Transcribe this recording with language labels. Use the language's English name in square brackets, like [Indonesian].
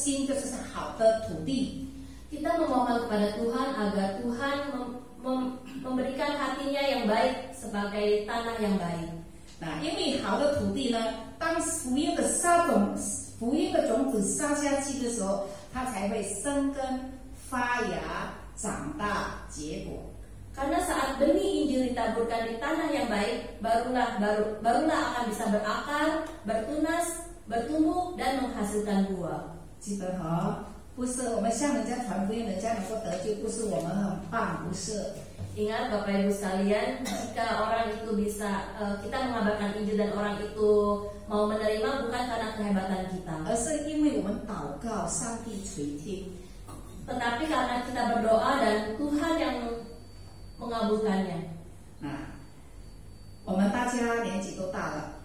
[Chinese] 求上帝赐给他有一颗心，就是好的土地. [Indonesian] Kita memohon kepada Tuhan agar Tuhan memberikan hatinya yang baik sebagai tanah yang baik. [Chinese] Nah, 因为好的土地呢, 当福音的种子撒下去的时候, 它才会生根发芽长大结果. [Indonesian] Karena saat benih Injil ditaburkan di tanah yang baik, barulah akan bisa berakar, bertunas, bertumbuh dan menghasilkan buah. [Chinese] 记得哦, 不是我们向人家传福音，人家能够得救，不是我们很棒，不是. [Indonesian] Ingat Bapak Ibu sekalian, jika orang itu bisa, kita mengabarkan Injil dan orang itu mau menerima, bukan karena kehebatan kita. [Chinese] 而是因为我们祷告，上帝垂听. [Indonesian] Tetapi karena kita berdoa dan Tuhan yang mengabulkannya. [Chinese] Nah, 我们大家年纪都大了.